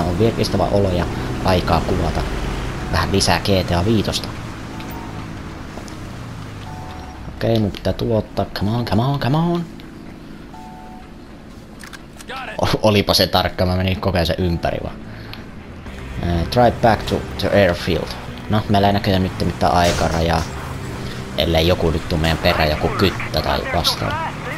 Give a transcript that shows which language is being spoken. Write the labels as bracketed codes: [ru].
[fi] On virkistävä olo ja aikaa kuvata vähän lisää GTA 5. Okei, mun pitää tuottaa. [en] Come on, come on, come on! [fi] Olipa se tarkka, mä menin kokeen sen ympäri vaan. [en] Drive back to the airfield. [fi] No, meillä ei näköjään nyt mitään aikarajaa. Ellei joku nyt tuu meidän perään, joku kyttä tai vastaan.